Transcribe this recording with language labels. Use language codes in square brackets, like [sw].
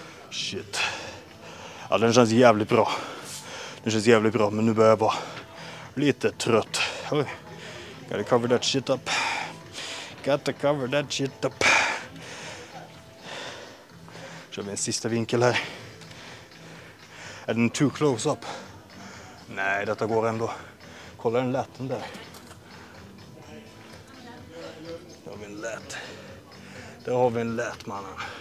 [sv] Shit. Ja, den känns jävligt bra. Den känns jävligt bra, men nu börjar jag vara lite trött. Oj. [en] Gotta cover that shit up. Gotta cover that shit up. [sv] Kör vi en sista vinkel här. Är den [en] too close up? [sv] Nej, detta går ändå. Kolla den läten där. Där har vi en lät. Där har vi en lät, mannen.